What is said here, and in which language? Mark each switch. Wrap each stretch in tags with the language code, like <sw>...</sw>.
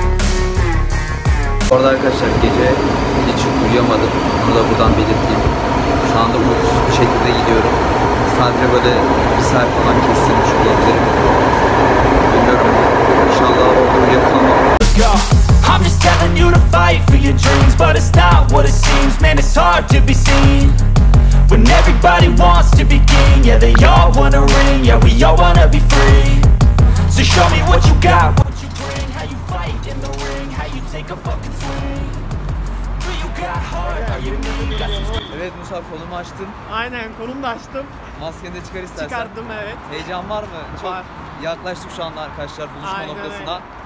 <tr>Geliyor. Orada arkadaşlar gece hiç uyuyamadım. Bunu da buradan belirteyim. Şu anda uykusuz bir şekilde gidiyorum. Sadece böyle bir saat falan kestim şu gece. Bilmiyorum. İnşallah orada yakalamam.</tr> <en>I'm just telling you to fight for your dreams, but it's not what it seems. Man, it's hard to be seen. When everybody wants to be king, yeah they all wanna ring, yeah we all wanna be free. So show me what you got, what you bring, how you fight in the ring, how you take a fucking swing. Do you got heart, are you mean?</en> <tr>Evet Musa, konumu açtın. Aynen, konumu da açtım. Maskeni de çıkar istersen. Çıkardım evet. Heyecan var mı? Var. Yaklaştık şu anda arkadaşlar buluşma aynen noktasına.</tr>